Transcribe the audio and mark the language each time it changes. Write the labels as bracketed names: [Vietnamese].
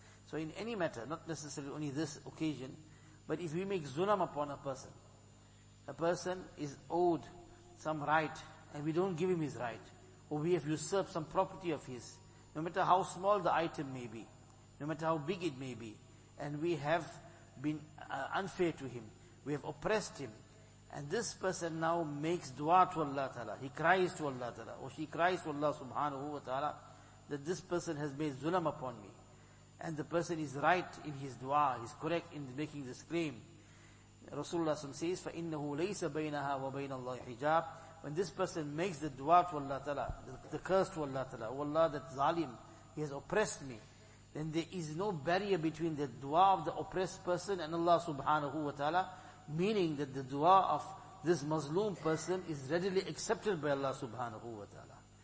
[English] So in any matter, not necessarily only this occasion, but if we make zulam upon a person is owed some right and we don't give him his right, or we have usurped some property of his, no matter how small the item may be, no matter how big it may be, and we have been unfair to him, we have oppressed him, and this person now makes dua to Allah Ta'ala, he cries to Allah Ta'ala, or she cries to Allah Subhanahu Wa Ta'ala, that this person has made zulam upon me. And the person is right in his dua, he's correct in making this claim. Rasulullah says, [Arabic] فَإِنَّهُ لَيْسَ بَيْنَهَا وَبَيْنَ اللَّهِ حِجَابٍ. [English] When this person makes the dua to Allah Ta'ala, the curse to Allah Ta'ala, oh Allah, that zalim, he has oppressed me, then there is no barrier between the dua of the oppressed person and Allah Subhanahu Wa Ta'ala, meaning that the dua of this mazloom person is readily accepted by Allah Subhanahu Wa Ta'ala.